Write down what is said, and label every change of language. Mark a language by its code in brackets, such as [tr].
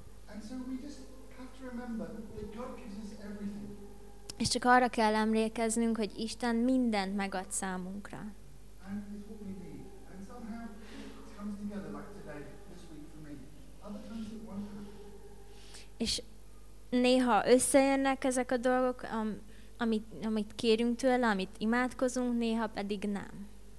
[en] And so we just have to remember that God gives us everything. [hu] És csak arra kell emlékeznünk, hogy Isten mindent megad számunkra. [en] And it's what we need. And somehow it comes together like today, this week for me. Other times it won't happen. [hu] És néha összejönnek ezek a dolgok, amit kérünk tőle, amit imádkozunk, néha pedig nem.